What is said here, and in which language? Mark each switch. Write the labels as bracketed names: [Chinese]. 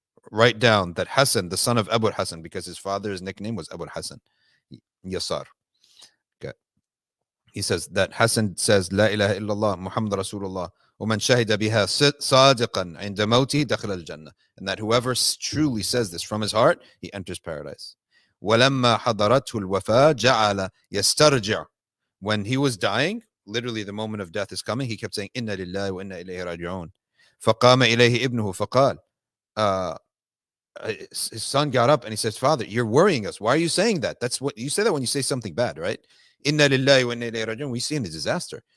[English] Write down that Hassan, the son of Abu al-Hasan, because his father's nickname was Abu al-Hasan, Yasar. Okay. He says that Hassan says, "La ilaha illallah Muhammad Rasulullah." [Arabic] ومن شهد بها صادقا عند موته دخل الجنة. [English] And that whoever truly says this from his heart, he enters paradise. [Arabic] ولما حضرته الوفاة جعل يسترجع. [English] When he was dying, literally the moment of death is coming, he kept saying [Arabic] إِنَّ لِلَّهِ وَإِنَّ إِلَيْهِ رَاجِعُونَ. فَقَامَ إِلَيْهِ إِبْنُهُ فَقَالَ, [English] his son got up and he says, Father, you're worrying us. Why are you saying that? That's what you say that when you say something bad, right? [Arabic] إِنَّ لِلَّهِ وَإِنَّ إِلَيْهِ رَاجِعُونَ. [English] We see in a disaster.